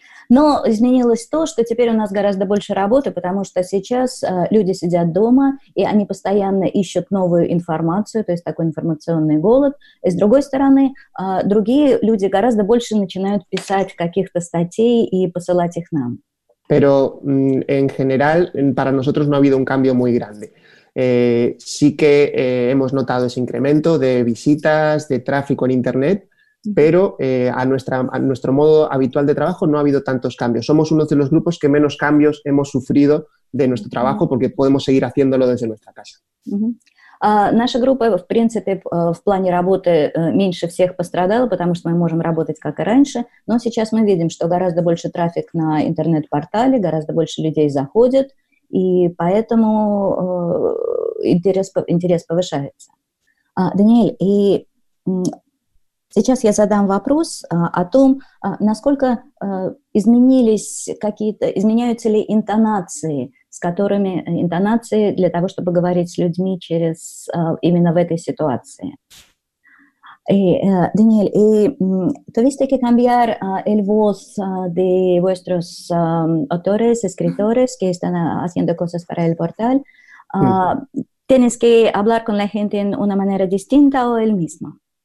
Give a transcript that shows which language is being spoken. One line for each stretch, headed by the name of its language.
Russian: Но изменилось то, что теперь у нас гораздо больше работы, потому что сейчас люди сидят дома, и они постоянно ищут новую информацию, то есть такой информационный голод. И с другой стороны, другие люди гораздо больше начинают писать каких-то статей и посылать их нам.
Spanish: Pero en general para nosotros no ha habido un cambio muy grande. Sí que hemos notado ese incremento de visitas, de tráfico en Internet, pero a nuestro modo habitual de trabajo no ha habido tantos cambios. Somos uno de los grupos que menos cambios hemos sufrido de nuestro trabajo porque podemos seguir haciéndolo desde nuestra casa.
Russian: Наша группа, в принципе, в плане работы меньше всех пострадала, потому что мы можем работать, как и раньше, но сейчас мы видим, что гораздо больше трафик на интернет-портале, гораздо больше людей заходит, и поэтому интерес повышается. Даниэль, и... Сейчас я задам вопрос о том, насколько изменились какие-то, изменяются ли интонации, с которыми интонации для того, чтобы говорить с людьми через именно в этой ситуации.
Spanish: Y, Daniel, y, ¿tuviste que cambiar el voz de vuestros autores, escritores que están haciendo cosas para el portal? ¿Tienes que hablar con la gente en una manera distinta o el mismo?